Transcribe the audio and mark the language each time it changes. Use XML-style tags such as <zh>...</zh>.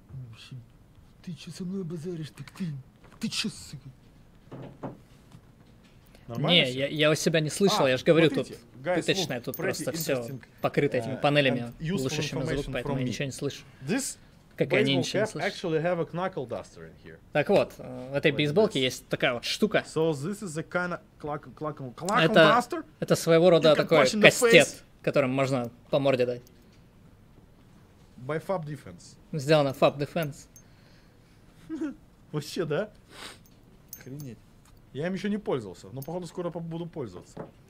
<ru>Вообще... Ты что со мной базаришь? Так ты... Ты что, сука? Нормально не, я у себя не слышал, я же говорю, смотрите, тут...</ru> <en>guys,</en> <ru>пыточная</ru> <en>look,</en> <ru>тут просто все покрыто этими панелями, глушащими звук, поэтому я ничего не слышу.</ru> <en>This...</en> <ru>Как и они ничего не слышат.</ru> <en>Have a knuckle duster in here.</en> <ru>Так вот, в этой бейсболке есть такая вот штука.</ru> <en>So this is a kind of knuckle duster?</en> <ru>Это своего рода такой кастет, которым можно по морде дать.</ru> <en>By FAB Defense.</en> <ru>Сделано FAB Defense. Вообще, да? Охренеть. Я им еще не пользовался, но походу скоро буду пользоваться.</ru>